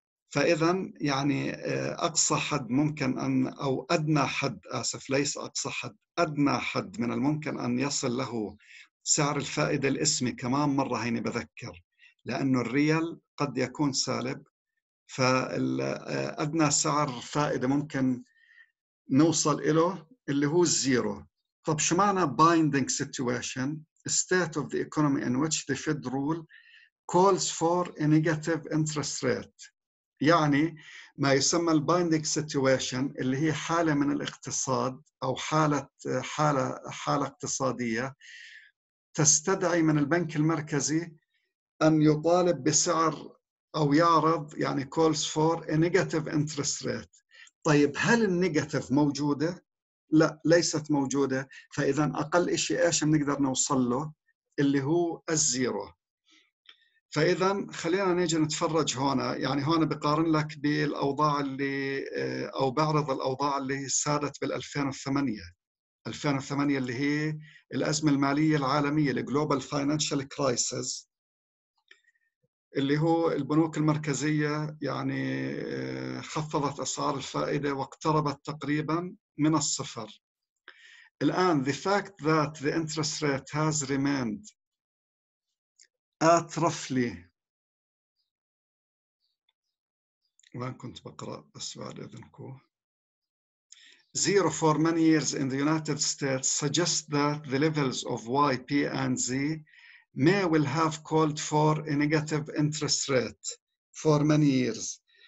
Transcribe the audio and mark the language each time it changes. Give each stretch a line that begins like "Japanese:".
Arabic: فإذا يعني أقصى حد ممكن أن، أو أدنى حد، آسف ليس أقصى حد، أدنى حد من الممكن أن يصل له سعر الفائدة الاسمي، كمان مرة هيني بذكر، لأنه الريال قد يكون سالب، فأدنى سعر فائدة ممكن نوصل إله اللي هو الزيرو. طب شو معنى
English: binding situation؟ state of the economy in which the Fed rule calls for a negative interest rate.
Arabic: يعني ما يسمى البايندينج سيتويشن اللي هي حاله من الاقتصاد او حاله اقتصاديه تستدعي من البنك المركزي ان يطالب بسعر او يعرض، يعني
English: Calls for a negative interest rate.
Arabic: طيب هل النيجاتيف موجوده؟ لا، ليست موجوده. فاذا اقل شيء ايش بنقدر نوصل له اللي هو الزيرو. فإذا خلينا نيجي نتفرج هنا، يعني هنا بقارن لك بالأوضاع اللي، أو بعرض الأوضاع اللي سادت بال 2008 2008 اللي هي الأزمة المالية العالمية، الجلوبال فاينانشال كرايسيس، اللي هو البنوك المركزية يعني خفضت أسعار الفائدة واقتربت تقريبا من الصفر.
English: الآن the fact that the interest rate has remained at roughly،
Arabic: وين كنت بقرأ بس بعد إذنكو،
English: zero for many years in the United States suggests that the levels of Y, P and Z may well have called for a negative interest rate for many years.